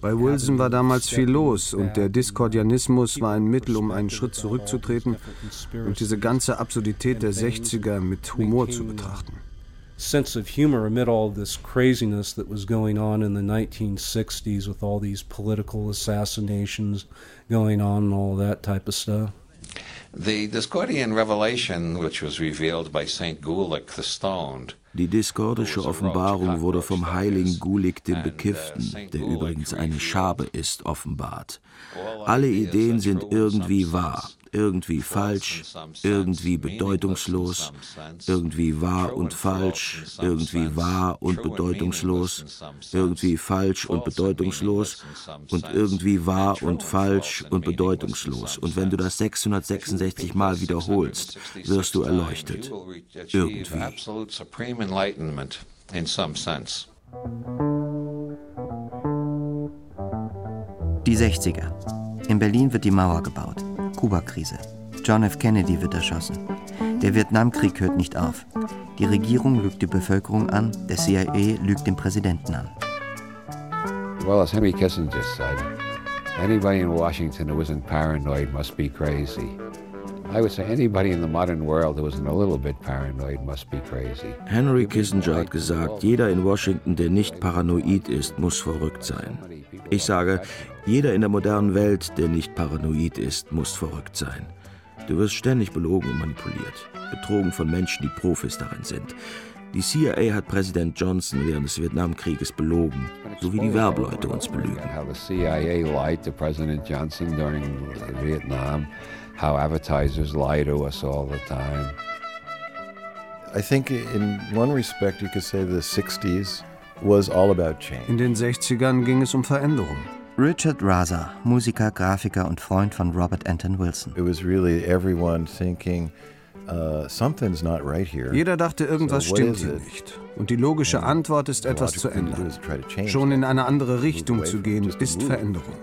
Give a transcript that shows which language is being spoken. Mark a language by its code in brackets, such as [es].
[de] Bei Wilson war damals viel los und der Discordianismus war ein Mittel, um einen Schritt zurückzutreten und diese ganze Absurdität der 60er mit Humor zu betrachten. [en] sense of humor amid all this craziness that was going on in the 1960s with all these political assassinations going on and all that type of stuff. The Discordian revelation, which was revealed by Saint Gulick the Stoned. [de] Die diskordische Offenbarung wurde vom heiligen Gulick dem Bekifften, der übrigens eine Schabe ist, offenbart. Alle Ideen sind irgendwie wahr, irgendwie falsch, irgendwie bedeutungslos, irgendwie wahr und falsch, irgendwie wahr und bedeutungslos, irgendwie falsch und bedeutungslos und irgendwie wahr und falsch und bedeutungslos. Und wenn du das 666 Mal wiederholst, wirst du erleuchtet. Irgendwie. [en] Enlightenment in some sense. [de] Die 60er. In Berlin wird die Mauer gebaut. Kuba-Krise. John F. Kennedy wird erschossen. Der Vietnamkrieg hört nicht auf. Die Regierung lügt die Bevölkerung an, der CIA lügt den Präsidenten an. [en] Well, as Henry Kissinger said, anybody in Washington who isn't paranoid must be crazy. I would say anybody in the modern world who isn't a little bit paranoid must be crazy. [de] Henry Kissinger hat gesagt, jeder in Washington, der nicht paranoid ist, muss verrückt sein. Ich sage, jeder in der modernen Welt, der nicht paranoid ist, muss verrückt sein. Du wirst ständig belogen und manipuliert, betrogen von Menschen, die Profis darin sind. Die CIA hat Präsident Johnson während des Vietnamkrieges belogen, so wie die Werbeleute uns belügen. [en] How the CIA lied to President Johnson during Vietnam. How advertisers lie to us all the time. I think in one respect you could say the 60s was all about change. [de] In den 60ern ging es um Veränderung. Richard Raza, Musiker, Grafiker und Freund von Robert Anton Wilson. [en] It was really everyone thinking something's not right here. [de] Jeder dachte, irgendwas stimmt hier nicht. Und die logische Antwort ist, etwas zu ändern. Schon in eine andere Richtung zu gehen, ist Veränderung.